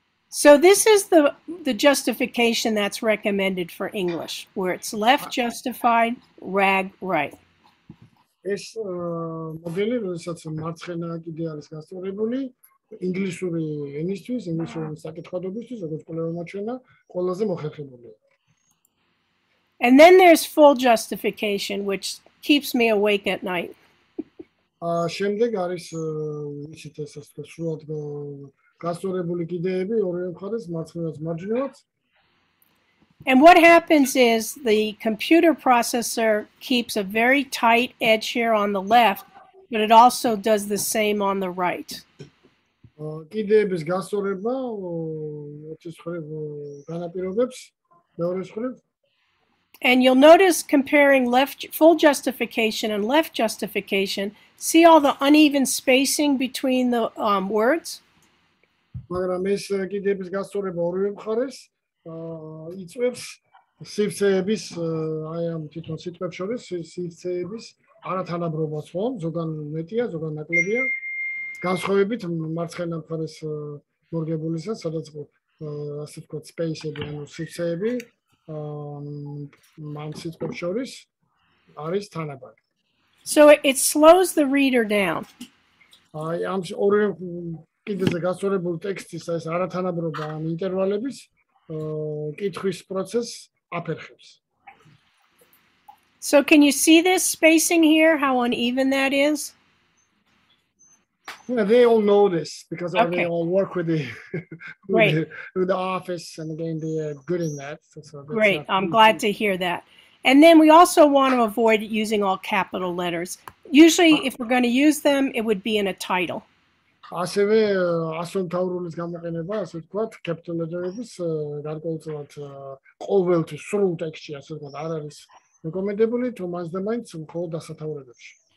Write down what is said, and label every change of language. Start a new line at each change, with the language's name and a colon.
English: So this is the justification that's recommended for English, where it's left justified, rag right.
Georgian: ეს მოდელი როდესაც მარცხენა კიდე არის გასწორებული ინგლისური ენისთვის, ინგლისური საკითხავადობისთვის, როგორც ყველა მარცხენა ყველაზე მოხერხებული.
English: And then there's full justification, which keeps me awake at night.
Georgian: Შემდეგ არის ისეთ ასეთ სრულად გასწორებული კიდეები ორივე მხარეს მარცხენაც მარჯვნივაც.
English: And what happens is the computer processor keeps a very tight edge here on the left, but it also does the same on the right.
Georgian: კიდეების გასწორება ერთის ხრებ განაპირობებს მეორის ხრებ.
English: And you'll notice comparing left full justification and left justification, see all the uneven spacing between the words?
Georgian: მაგრამ ეს კიდეების გასწორება ორივე მხარეს იწვევს სივრცეების აი ამ თვითონ სიტყვებს შორის სივრცეების არათანაბრობას, ხო? ზოგან მეტია, ზოგან ნაკლებია. განსხვავებით მარცხენა მხარეს მორგებულისა, სადაც ასე ვთქვათ, სპეისები, ანუ სივრცეები ამ სიტყვებს შორის არის თანაბარი.
English: So it slows the reader down.
Georgian: აი ამ ორი კიდეზე გასწორებულ ტექსტის ეს არათანაბრობა ამ ინტერვალების კითხვის პროცესს აფერხებს.
English: So can you see this spacing here, how uneven that is? Yeah, they all know this because they all work with the, with the office and again the good in that. Great, I'm glad to hear that. And then we also want to avoid using all capital letters. Usually if we're going to use them, it would be in a title.
Georgian: ასევე ასომთავრულის გამოყენება, ასე ვთქვათ,
English: capital letters-
Georgian: ის გარკვეულწილად ყოველთვის სრულ ტექსტში ასე ვთქვათ არ არის რეკომენდებული, თუმცა და მაინც მხოლოდ დასათაურებებში.